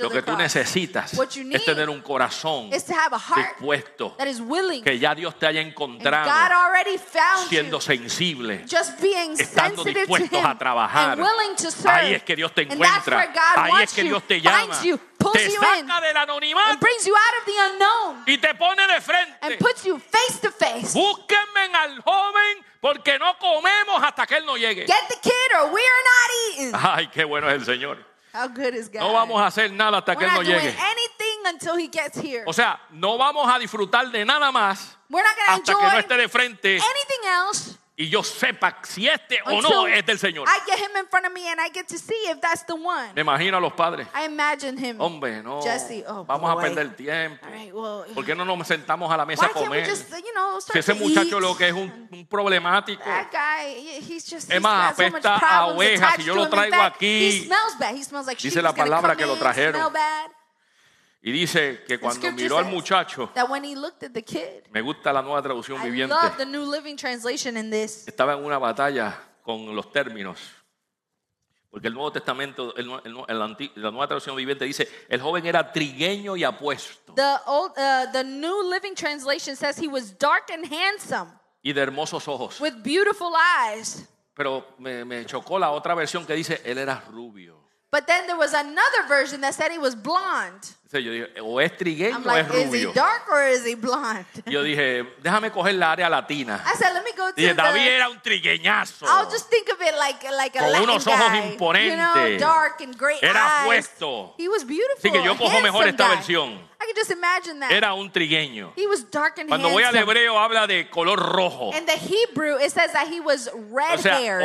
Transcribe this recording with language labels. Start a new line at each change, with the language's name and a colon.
Spanish: lo que tú necesitas es tener un corazón dispuesto
English: that is willing,
Spanish: que ya Dios te haya encontrado
English: God already found
Spanish: siendo
English: you,
Spanish: sensible
English: just being
Spanish: estando dispuesto a trabajar
English: and willing to serve.
Spanish: Ahí es que Dios te encuentra ahí es que Dios te llama
English: you,
Spanish: te
English: you
Spanish: saca del anonimato
English: and brings you out of the unknown,
Spanish: y te pone de frente
English: and puts you face to face.
Spanish: Búsquenme al joven porque no comemos hasta que él no llegue.
English: Get the kid or we are not eating.
Spanish: Ay, qué bueno es el Señor.
English: How good is God?
Spanish: No vamos a hacer nada hasta
English: we're
Spanish: que él no llegue.
English: We're not doing anything until he gets here.
Spanish: O sea, no vamos a disfrutar de nada más hasta que no esté de frente.
English: Anything else.
Spanish: Y yo sepa si este o no es del Señor.
English: I get him in front of me and I get to see if that's the one.
Spanish: Me imagino a los padres.
English: I imagine him.
Spanish: Hombre, no.
English: Jesse, oh
Spanish: vamos
English: boy.
Spanish: A perder tiempo.
English: All right, well,
Spanish: ¿por qué no nos sentamos a la mesa
English: why
Spanish: a comer?
English: Can't we just, you know, start
Spanish: si ese muchacho
English: eat.
Spanish: Lo que es un problemático.
English: That guy, he's just,
Spanish: es más, apesta
English: so
Spanish: a oveja. Si yo lo traigo
English: fact,
Spanish: aquí.
English: He smells bad. He smells like
Spanish: dice she's la palabra que
English: in,
Spanish: lo trajeron. Y dice que cuando miró al muchacho,
English: kid,
Spanish: me gusta la nueva traducción
English: I
Spanish: viviente.
English: Love the new living translation in this.
Spanish: Estaba en una batalla con los términos, porque el Nuevo Testamento, la nueva traducción viviente dice, el joven era trigueño y apuesto.
English: The new living translation says he was dark and handsome.
Spanish: Y de hermosos ojos.
English: With beautiful eyes.
Spanish: Pero me chocó la otra versión que dice, él era rubio.
English: But then there was another version that said he was blonde.
Spanish: Yo dije, o es trigueño o es rubio.
English: Is he dark or is he blonde?
Spanish: Yo dije, déjame coger la área latina.
English: I said, let me go to
Spanish: dije,
English: the...
Spanish: David era un trigueñazo.
English: I'll just think of it like a
Spanish: con
English: Latin
Spanish: unos ojos
English: guy.
Spanish: Imponentes.
English: You know, dark and great
Spanish: era
English: eyes.
Spanish: Era puesto.
English: He was beautiful.
Spanish: Así que yo cojo mejor esta
English: guy.
Spanish: Versión.
English: I can just imagine that.
Spanish: Era un trigueño.
English: He was dark and
Spanish: cuando
English: handsome.
Spanish: Voy al hebreo, habla de color rojo.
English: In the Hebrew, it says that he was red-haired.